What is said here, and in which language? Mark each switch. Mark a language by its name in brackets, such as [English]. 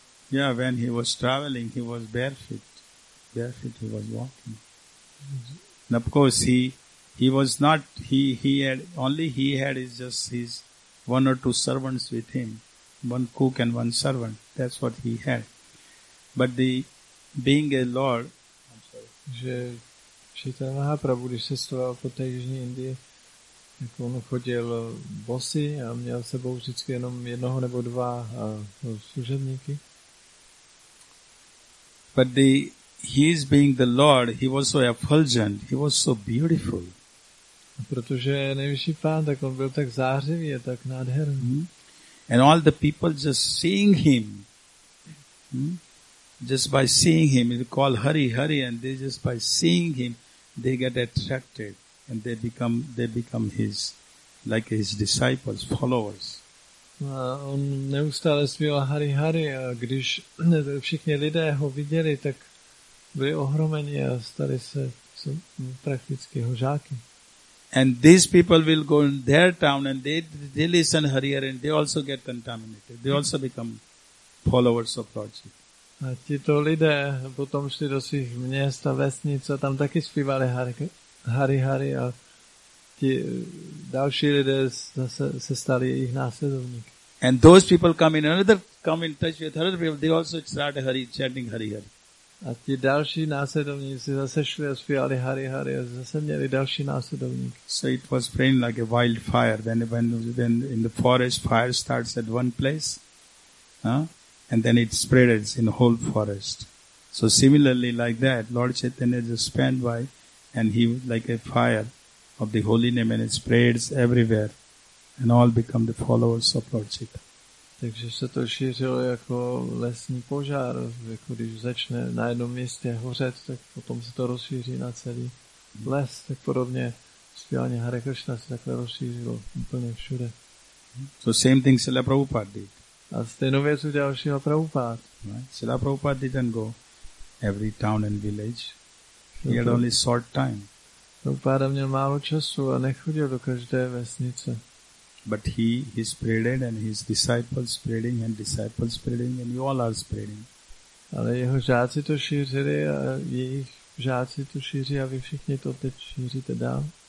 [English] Yeah, when he was traveling, he was barefoot. Barefoot, he was walking. And of course, he had just his one or two servants with him, one cook and one servant. That's what he had. But the being a lord, [Czech] že Chaitanya Mahaprabhu, když cestoval po té jižní Indii, tak on chodil bosy a měl sebou vždycky jenom jednoho nebo dva služebníky. [English] But the his being the Lord, he was so effulgent, he was so beautiful. [Czech] Protože nejvyšší pán, tak on byl tak zářivý a tak nádherný. Mm-hmm. [English] And all the people just seeing him, just by seeing him, they call Hari, Hari, and they just by seeing him, they get attracted and they become his, like his disciples, followers. [Czech] A on neustále zpíval Hari Hari a když všichni lidé ho viděli, tak byli ohromeni a stali se prakticky jeho žáky. [English] And these people will go in their town and they listen Hari Hari and they also get contaminated. They also become followers of Lord Ji. [Czech] A tito lidé potom šli do svých měst a vesnic a tam taky zpívali Hari Hari a ti další lidé zase se stali jejich následovníky. [English] And those people come in touch with other people, they also start chanting Hari Hari. [Czech] A ti další následovníci zase šli a zpívali Hari Hari a zase měli další následovníky. [English] So it was spreading like a wildfire. Then in the forest, fire starts at one place, and then it spreads in the whole forest. So similarly like that, Lord Chaitanya just spent by and he like a fire of the holy name and it spreads everywhere and all become the followers of Lord Chaitanya. [Czech] Takže se to šířilo jako lesní požár, jako když začne na jednom místě hořet, tak potom se to rozšíří na celý les, tak podobně zpívání Hare Krishna se takhle rozšířilo úplně všude. [English] So same thing Srila Prabhupada did. [Czech] A stejnou věc udělal Srila Prabhupada. [English] Right? Srila Prabhupada didn't go every town and village. He had only short time. [Czech] Prabhupada měl málo času a nechodil do každé vesnice. [English] But he spreaded and his disciples spreading and disciples spreading and you all are spreading. [Czech] Ale jeho žáci to šířili a jejich žáci to šíří a vy všichni to teď šíříte dál.